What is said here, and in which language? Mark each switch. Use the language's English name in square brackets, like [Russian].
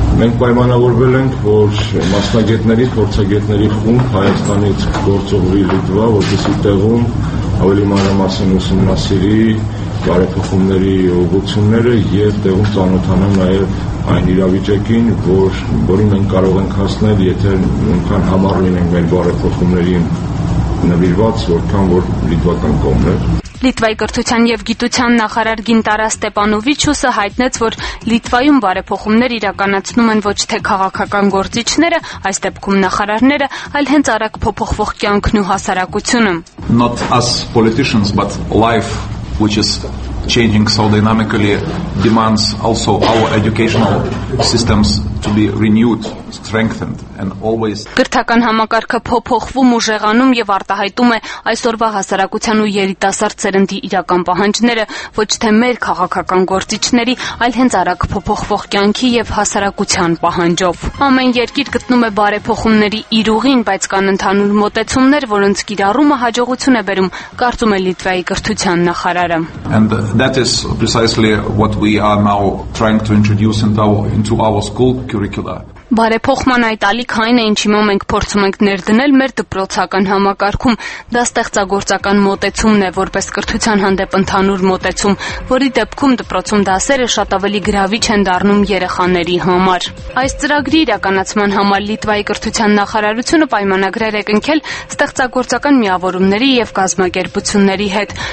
[Armenian] Մենք պայմանավորվել ենք, որ մասնագետների, փորձագետների խումբ Հայաստանից գործողի Լիտվա, որպեսզի տեղում ավելի մանրամասն ուսումնասիրի բարեփոխումների ուղղությունները և տեղում ծանոթանա նաև այն իրավիճակին, որին մենք կարող ենք հասնել, եթե նույնքան համառ լինենք մեր բարեփոխումների նվիրված, որքան որ լիտվական կողմը։ Լիտվայի կրթության և գիտության նախարար Գինտարա Ստեպանովիչուսը հայտնեց, որ Լիտվայում բարեփոխումներ իրականացնում են ոչ թե քաղաքական գործիչները, այս դեպքում նախարարները, այլ հենց արագ փոփոխվող կյանքն ու հասարակությունը։ [English] Not as politicians, but life, which is changing so dynamically, demands also our educational systems to be renewed, strengthened and always. [Armenian] Կրթական համակարգը փոփոխվում ու ժեղանում եւ արտահայտում է այսօրվա հասարակության ու երիտասարդ ցերնդի իրական պահանջները, ոչ թե մեր քաղաքական գործիչների, այլ հենց արագ փոփոխվող կյանքի եւ հասարակության պահանջով։ Ամեն երկիր գտնում է բարեփոխումների իր ուղին, բայց կան ընդհանուր մոտեցումներ, որոնց կիրառումը հաջողություն է բերում, կարծում է Լիտվայի կրթության նախարարը։ [English] And that is precisely what we are now trying to introduce into our school curricula. [Armenian] Բարեփոխման այդ ալիքը այն է, ինչ հիմա մենք փորձում ենք ներդնել մեր դպրոցական համակարգում։ Դա ստեղծագործական մոտեցումն է, որպես կրթության հանդեպ ընդհանուր մոտեցում, որի դեպքում դպրոցում դասերը շատ ավելի գրավիչ են դառնում երեխաների համար։ Այս ծրագրի իրականացման համար Լիտվայի կրթության նախարարությունը պայմանագրեր է կնքել ստեղծագործական միավորումների և կազմակերպությունների հետ,